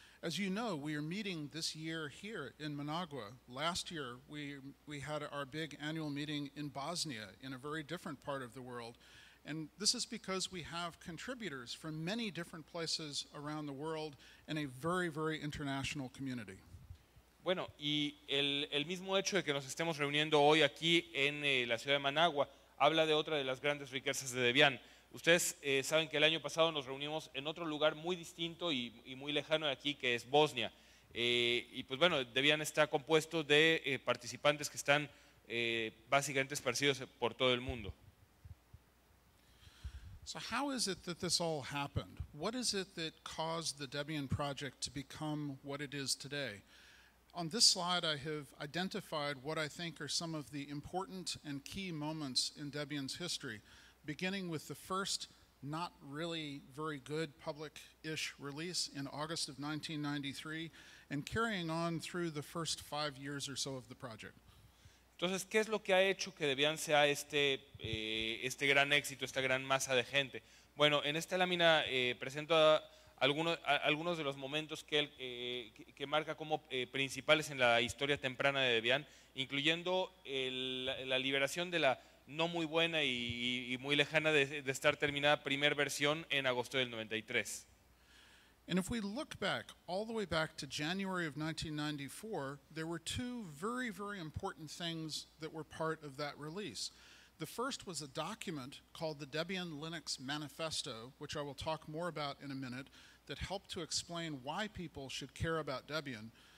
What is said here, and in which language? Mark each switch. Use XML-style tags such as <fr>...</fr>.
<en>As you know, we are meeting this year here in Managua. Last year, we had our big annual meeting in Bosnia, in a very different part of the world. And this is because we have contributors from many different places around the world and a very, very international community.</en> <es>Bueno, y el mismo hecho de que nos estemos reuniendo hoy aquí en la ciudad de Managua habla de otra de las grandes riquezas de Debian. Ustedes saben que el año pasado nos reunimos en otro lugar muy distinto y muy lejano de aquí, que es Bosnia. Y pues bueno, Debian está compuesto de participantes que están básicamente esparcidos por todo el mundo.</es> <en>So how is it that this all happened? What is it that caused the Debian project to become what it is today? On this slide, I have identified what I think are some of the important and key moments in Debian's history, beginning with the first not really very good public-ish release in August of 1993 and carrying on through the first 5 years or so of the project.</en> <es>Entonces, ¿qué es lo que ha hecho que Debian sea este gran éxito, esta gran masa de gente? Bueno, en esta lámina presento algunos de los momentos que marca como principales en la historia temprana de Debian, incluyendo la liberación de la no muy buena y muy lejana de estar terminada primer versión en agosto del 93.</es> <en>And if we look back, all the way back to January of 1994, there were two very, very important things that were part of that release. The first was a document called the Debian Linux Manifesto, which I will talk more about in a minute, that helped to explain why people should care about Debian.</en>